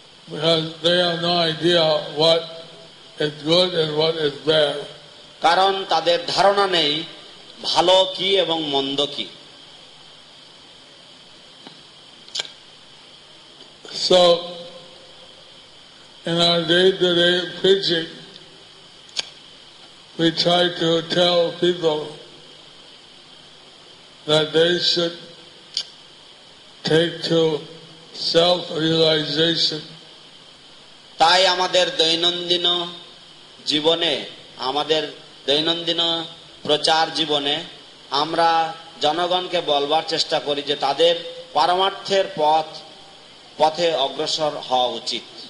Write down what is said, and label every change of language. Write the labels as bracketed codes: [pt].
[en] Because they have no idea what is good and what is bad. [bn] কারণ তাদের ধারণা নেই ভালো কি এবং মন্দ কি। [en] So in our day-to-day preaching, we try to tell people that they should take to self-realization. [bn] তাই আমাদের দৈনন্দিন জীবনে, আমাদের দৈনন্দিন প্রচার জীবনে আমরা জনগণকে বলবার চেষ্টা করি যে তাদের পারমার্থের পথে অগ্রসর হওয়া উচিত।